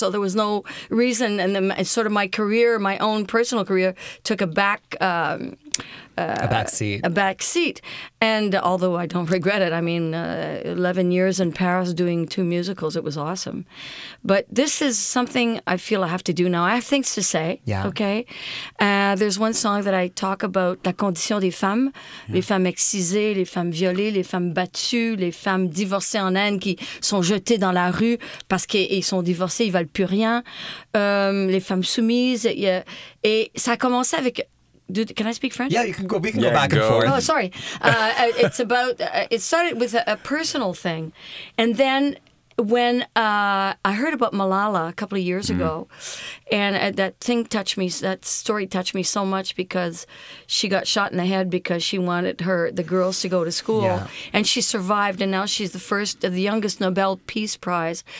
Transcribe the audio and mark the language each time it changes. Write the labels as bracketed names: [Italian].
[English] So there was no reason, and then sort of my career, my own personal career, took a back seat. And although I don't regret it, I mean, 11 years in Paris doing two musicals, it was awesome. But this is something I feel I have to do now. I have things to say. Yeah. Okay. There's one song that I talk about, [French] La condition des femmes, les femmes excisées, les femmes violées, les femmes battues, les femmes divorcées en Inde qui sont jetées dans la rue parce qu'ils sont divorcés, ils ne valent plus rien, les femmes soumises. Et ça a commencé avec... [English] Can I speak French? Yeah, you can go. We can go back and forth. Oh, sorry. It's about. It started with a personal thing, and then when I heard about Malala a couple of years ago, and that thing touched me. That story touched me so much because she got shot in the head because she wanted the girls to go to school, and she survived, and now she's the youngest Nobel Peace Prize.